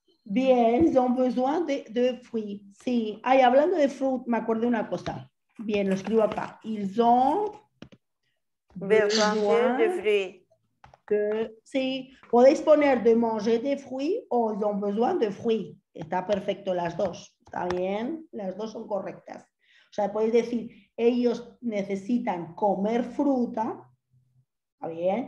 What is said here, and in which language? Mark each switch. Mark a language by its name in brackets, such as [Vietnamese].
[French] Bien, ils ont besoin de fruits. [Spanish] Sí, ay, hablando de fruit, me acordé una cosa. Bien, lo escribo acá. [French] Ils ont besoin de fruits. [Spanish] Que, sí, podéis poner [French] de manger de fruits [Spanish] o [French] ils ont besoin de fruits. [Spanish] Está perfecto las dos, ¿está bien? Las dos son correctas. O sea, podéis decir, ellos necesitan comer fruta, ¿está bien?